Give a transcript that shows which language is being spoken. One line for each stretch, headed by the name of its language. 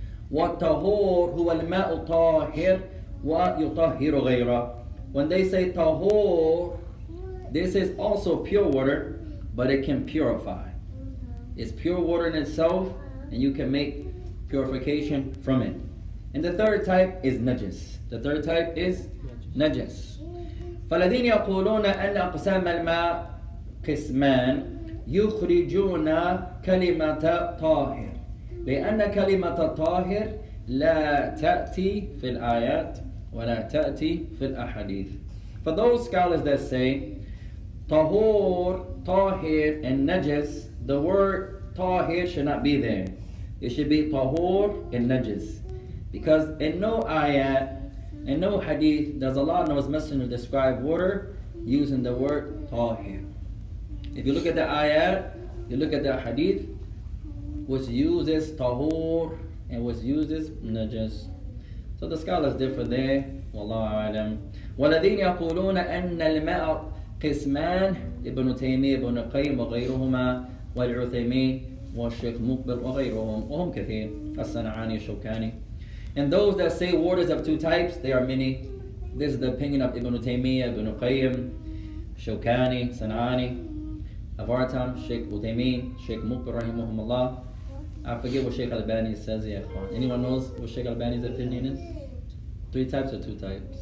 Arabic: Wa tahor huwa al-ma'u tahir wa yutahhiru ghayra.
English: When they say tahor, this is also pure water, but it can purify. It's pure water in itself, and you can make purification from it. And the third type is najis. The third type is najis.
Arabic: فالذين يقولون أن أقسام الماء قسمان يخرجون كلمة طاهر لأن كلمة طاهر لا تأتي في الآيات ولا تأتي في الأحاديث.
English: For those scholars that say طهور, طاهر and نجس, the word طاهر should not be there. It should be طهور and نجس. Because in no آيات, in no hadith, does Allah and His Messenger describe water using the word tahir. If you look at the ayat, you look at the hadith, which uses tahur and which uses najas. So the scholars differ there.
Arabic: Wallahu a'lam. وَالَذِينَ يَقُولُونَ أَنَّ الْمَاءَ قِسْمَانِ ابن تيمية ابن قيم وغيرهما والعثيمين والشيخ مقبل وغيرهم وهم كثير الصنعاني الشوكاني.
English: And those that say waters of two types, they are many. This is the opinion of Ibn Taymiyyah, Ibn Qayyim, Shawkani, Sana'ani, of our time, Shaykh Uthaymeen, Shaykh Muqbil rahimahumullah. I forget what Shaykh Albani says,
Arabic: ya ikhwan.
English: Anyone knows what Shaykh Albani's opinion is? Three types or two types?